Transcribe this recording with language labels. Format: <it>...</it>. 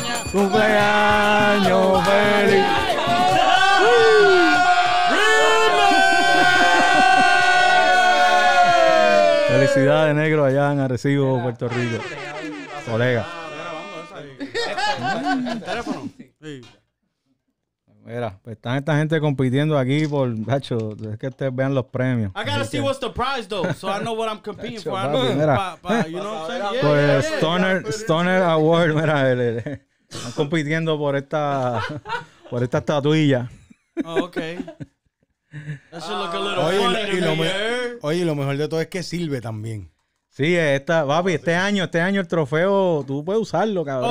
<es>Cumpleaños feliz. Ciudad de Negro allá en Arecibo, era, Puerto Rico. Colega. Mira, pues están esta gente compitiendo aquí por, gacho, es que ustedes vean los premios.</es> <en>I gotta see what's the prize though, so I know what I'm competing for.</en> <es>Papi,</es> <en>I know,</en> <es>mira,</es> <en>pa, you know what I'm saying?</en> <es>Yeah, pues Stoner Award, mira, están compitiendo por esta por esta estatuilla.</es> <en>Oh, okay. Look a little funny to me, eh?</en> <es>Oye, lo mejor de todo es que sirve también. Sí, esta, papi, este año el trofeo, tú puedes usarlo, cabrón.</es>